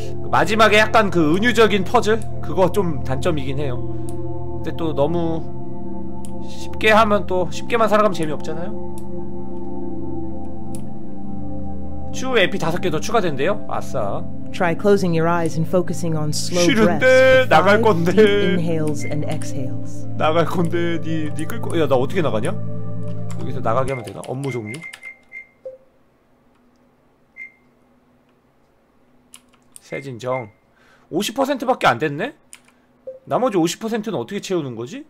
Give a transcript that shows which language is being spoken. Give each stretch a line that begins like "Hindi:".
Korean: 마지막에 약간 그 은유적인 퍼즐? 그거 좀 단점이긴 해요. 근데 또 너무 쉽게 하면 또 쉽게만 살아가면 재미없잖아요. 추후 에피 다섯 개 더 추가된대요. 아싸.
English: Try closing your eyes and focusing on slow breaths.
Korean: 싫은데 나갈 건데.
English: Inhales and exhales.
Korean: 나갈 건데 네 끌 거. 야, 나 어떻게 나가냐? 여기서 나가게 하면 되나? 업무 종료. 세진정 50%밖에 안 됐네? 나머지 50%는 어떻게 채우는 거지?